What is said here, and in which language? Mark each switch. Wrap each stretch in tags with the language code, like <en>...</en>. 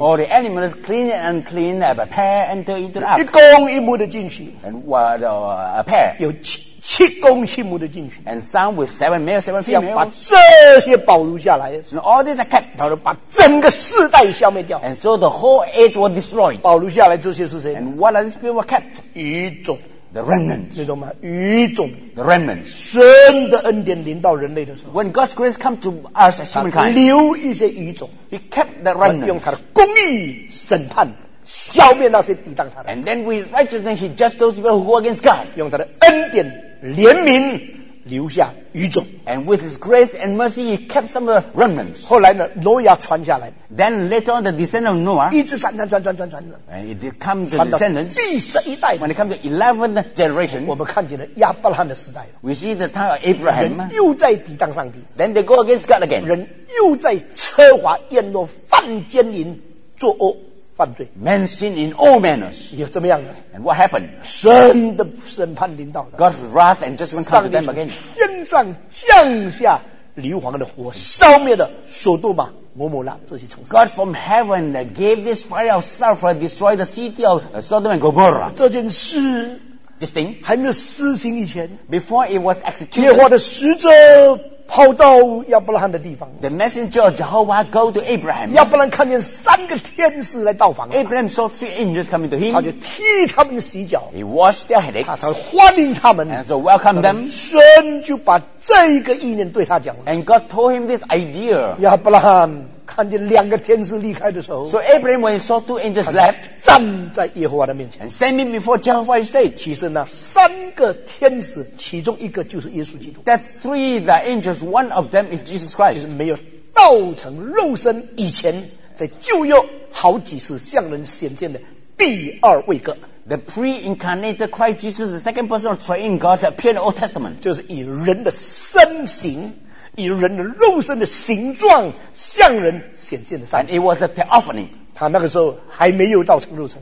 <en>All the animals clean and unclean have a pair enter into the ark.</en> <zh>一公一母的进去。</zh> <en>And what a pair?</en> <zh>有七公七母的进去。</zh> <en>And some with seven male, seven female.</en> <zh>要把这些保留下来。</zh> <en>And all these are kept.</en> <zh>然后把整个世代消灭掉。</zh> <en>And so the whole age was destroyed.</en> <zh>保留下来这些是谁？</zh> <en>And what are these people kept?</en> <zh>余种。</zh> <en>The remnants.</en> <zh>你懂吗？余种。</zh> <en>The remnants.</en> <zh>神的恩典临到人类的时候。</zh> <en>When God's grace comes to us as humankind.</en> <zh>留一些余种。</zh> <en>He kept the remnants.</en> <zh>用他的公义审判，消灭那些抵挡他的。</zh> <en>And then with righteousness, he judged those people who go against God.</en> <zh>用他的恩典怜悯留下余种。</zh> <en>And with his grace and mercy, he kept some of the remnants.</en> <zh>后来呢，挪亚传下来。</zh> <en>Then later on, the descendant of Noah.</en> <zh>一直传。</zh> <en>And it comes to the descendants.</en> <zh>第十一代。</zh> <en>When it comes to 11th generation.</en> <zh>我们看见了亚伯拉罕的时代。</zh> <en>We see the time of Abraham.</en> <zh>人又在抵挡上帝。</zh> <en>Then they go against God again.</en> <zh>人又在奢华宴落犯奸淫作恶。犯罪</zh> <en>Men sin in all manners.</en> <zh>有这么样的</zh> <en>And what happened?</en> <zh>神的审判临到了</zh> <en>God's wrath and judgment come to them again.</en> <zh>天上降下硫磺的火烧灭了所多玛摩摩拉这些城市</zh> <en>God from heaven gave this fire of sulfur destroy the city of Sodom and Gomorrah.</en> <zh>这件事</zh> <en>This thing</en> <zh>还没有施行以前</zh> <en>Before it was executed</en> <zh>耶和华的使者跑到亚伯拉罕的地方。</zh> <en>The messenger of Jehovah go to Abraham.</en> <zh>亚伯拉罕看见三个天使来到访。</zh> <en>Abraham saw three angels coming to him.</en> <zh>他就替他们洗脚。</zh> <en>He washed their headache.</en> <zh>他欢迎他们。</zh> <en>And so welcome them.</en> <zh>神就把这一个意念对他讲了。</zh> <en>And God told him this idea.</en> <zh>亚伯拉罕看见两个天使离开的时候。</zh> <en>So Abraham when he saw two angels left.</en> <zh>站在耶和华的面前。</zh> <en>And standing before Jehovah said.</en> <zh>其实呢三个天使其中一个就是耶稣基督。</zh> <en>That three the angels. One of them is Jesus Christ.</en> <zh>其实没有道成肉身以前，在旧约好几次向人显现的第二位哥。</zh> <en>The pre-incarnated Christ Jesus, the second person of triune God, appeared in the Old Testament.</en> <zh>就是以人的身形，以人的肉身的形状向人显现的上</zh> <en>帝。And it was a theophany.</en> <zh>他那个时候还没有道成肉身。</zh>